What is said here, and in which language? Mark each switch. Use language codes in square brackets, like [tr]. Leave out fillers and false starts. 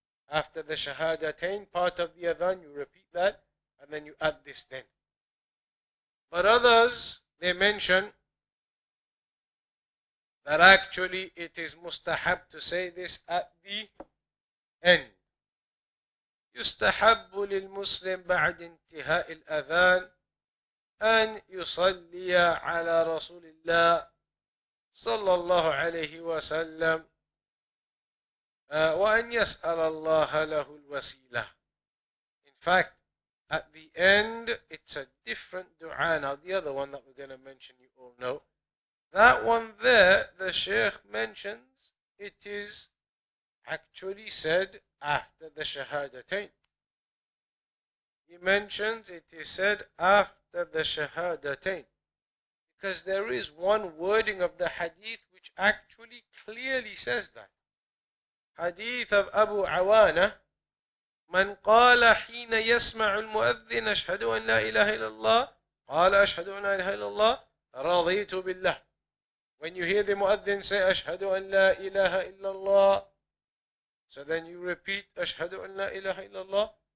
[en] After the shahadatain, part of the adhan, you repeat that, and then you add this then. But others, they mention that actually it is mustahab to say this at the end. [ar] يستحب للمسلم بعد انتهاء الأذان أن يصلي على رسول الله صلى الله عليه وسلم وأن يسأل الله له الوسيلة. [en] In fact, at the end, it's a different dua. Now, the other one that we're going to mention, you all know. That one there, the Shaykh mentions, it is actually said after the Shahadatain. He mentions it is said after the Shahadatain. Because there is one wording of the hadith which actually clearly says that. [ar] Hadith of Abu Awana, من قال حين يسمع المؤذن أشهد أن لا إله إلا الله قال أشهد أن لا إله إلا الله رضيت بالله. [en] When you hear the muaddin say [ar] أشهد أن لا إله إلا الله, [en] so then you repeat أشهد أن لا إله إلا الله.